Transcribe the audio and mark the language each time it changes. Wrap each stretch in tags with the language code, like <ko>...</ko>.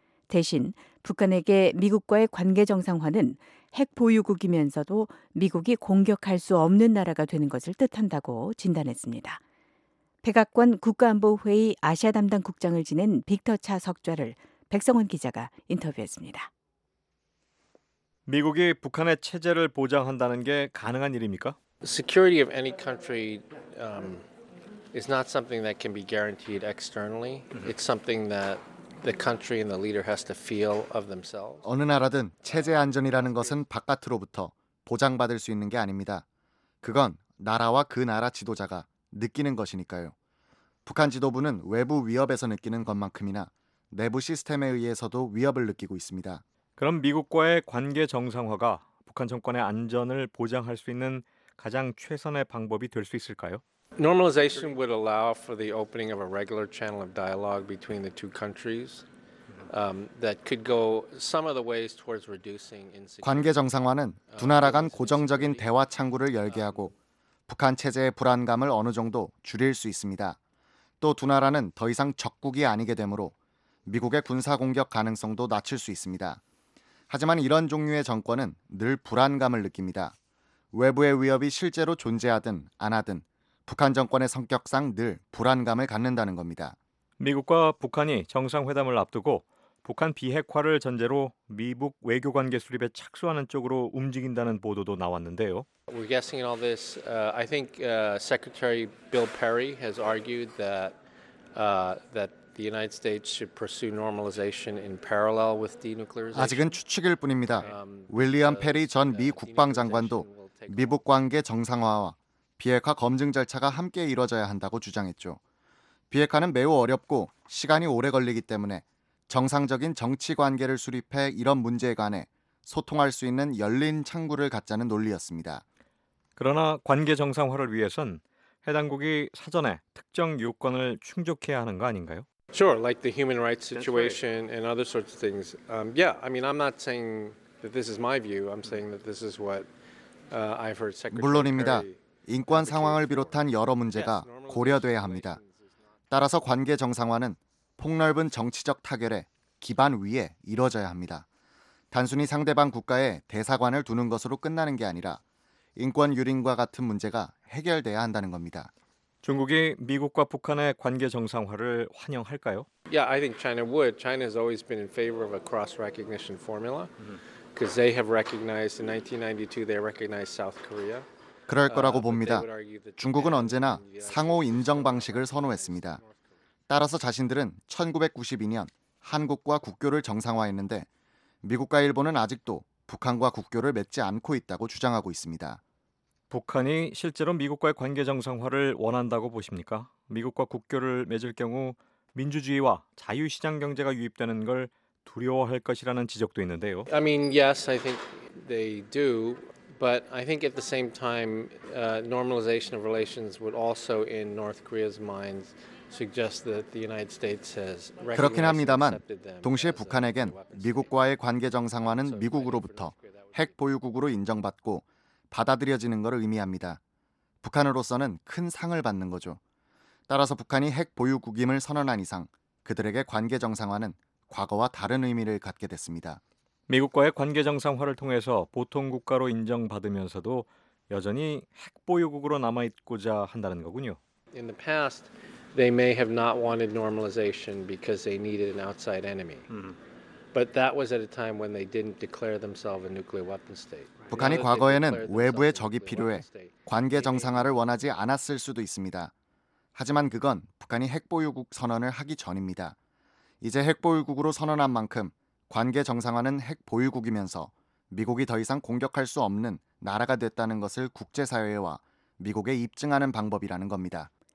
<ko>대신 북한에게 미국과의 관계 정상화는 핵 보유국이면서도 미국이 공격할 수 없는 나라가 되는 것을 뜻한다고 진단했습니다. 백악관 국가안보회의 아시아 담당 국장을 지낸 빅터 차 석좌를 백성원 기자가 인터뷰했습니다. 미국이 북한의 체제를 보장한다는 게 가능한 일입니까?</ko> <en>Security of any country is not something that can be guaranteed externally. It's something that the country and the leader has to feel of themselves.</en> <ko>어느 나라든 체제 안전이라는 것은 바깥으로부터 보장받을 수 있는 게 아닙니다. 그건 나라와 그 나라 지도자가 느끼는 것이니까요. 북한 지도부는 외부 위협에서 느끼는 것만큼이나 내부 시스템에 의해서도 위협을 느끼고 있습니다. 그럼 미국과의 관계 정상화가 북한 정권의 안전을 보장할 수 있는 가장 최선의 방법이 될 수 있을까요?</ko> <en>Normalization would allow for the opening of a regular channel of dialogue between the two countries that could go some of the ways towards reducing insecurity.</en> <ko>관계 정상화는 두 나라 간 고정적인 대화 창구를 열게 하고 북한 체제의 불안감을 어느 정도 줄일 수 있습니다. 또 두 나라는 더 이상 적국이 아니게 되므로 미국의 군사 공격 가능성도 낮출 수 있습니다. 하지만 이런 종류의 정권은 늘 불안감을 느낍니다. 외부의 위협이 실제로 존재하든 안 하든 북한 정권의 성격상 늘 불안감을 갖는다는 겁니다. 미국과 북한이 정상회담을 앞두고 북한 비핵화를 전제로 미북 외교관계 수립에 착수하는 쪽으로 움직인다는 보도도 나왔는데요.</ko> <en>We're guessing in all this. I think Secretary Bill Perry has argued that that the United States should pursue normalization in parallel with denuclearization.</en> <ko>아직은 추측일 뿐입니다. 윌리엄 페리 전 미 국방장관도 미북 관계 정상화와 비핵화 검증 절차가 함께 이뤄져야 한다고 주장했죠. 비핵화는 매우 어렵고 시간이 오래 걸리기 때문에 정상적인 정치 관계를 수립해 이런 문제에 관해 소통할 수 있는 열린 창구를 갖자는 논리였습니다. 그러나 관계 정상화를 위해선 해당국이 사전에 특정 요건을 충족해야 하는 거 아닌가요?</ko> <en>Sure, like the human rights situation and other sorts of things. Yeah, I mean, I'm not saying that this is my view. I'm saying that this is what I've heard Secretary.</en> <ko>물론입니다. 인권 상황을 비롯한 여러 문제가 고려돼야 합니다. 따라서 관계 정상화는 폭넓은 정치적 타결에 기반 위에 이뤄져야 합니다. 단순히 상대방 국가에 대사관을 두는 것으로 끝나는 게 아니라 인권 유린과 같은 문제가 해결돼야 한다는 겁니다. 중국이 미국과 북한의 관계 정상화를 환영할까요?</ko> <en>Yeah, I think China would. China has always been in favor of a cross-recognition formula because they have recognized in 1992 they recognized South Korea.</en> <ko>그럴 거라고 봅니다. 중국은 언제나 상호 인정 방식을 선호했습니다. 따라서 자신들은 1992년 한국과 국교를 정상화했는데 미국과 일본은 아직도 북한과 국교를 맺지 않고 있다고 주장하고 있습니다. 북한이 실제로 미국과의 관계 정상화를 원한다고 보십니까? 미국과 국교를 맺을 경우 민주주의와 자유시장 경제가 유입되는 걸 두려워할 것이라는 지적도 있는데요.</ko> <en>I mean, yes, I think they do. But I think at the same time, normalization of relations would also, in North Korea's minds, suggest that the United States has recognized and accepted them.</en> <ko>그렇긴 합니다만, 동시에 북한에겐 미국과의 관계 정상화는 미국으로부터 핵 보유국으로 인정받고 받아들여지는 것을 의미합니다. 북한으로서는 큰 상을 받는 거죠. 따라서 북한이 핵 보유국임을 선언한 이상 그들에게 관계 정상화는 과거와 다른 의미를 갖게 됐습니다. 미국과의 관계 정상화를 통해서 보통 국가로 인정받으면서도 여전히 핵 보유국으로 남아있고자 한다는 거군요.</ko> <en>In the past, they may have not wanted normalization because they needed an outside enemy. But that was at a time when they didn't declare themselves a nuclear weapon state.</en> <ko>북한이 과거에는 외부의 적이 필요해 관계 정상화를 원하지 않았을 수도 있습니다. 하지만 그건 북한이 핵 보유국 선언을 하기 전입니다. 이제 핵 보유국으로 선언한 만큼 관계 정상화는 핵 보유국이면서 미국이 더 이상 공격할 수 없는 나라가 됐다는 것을 국제사회와 미국에 입증하는 방법이라는 겁니다.</ko>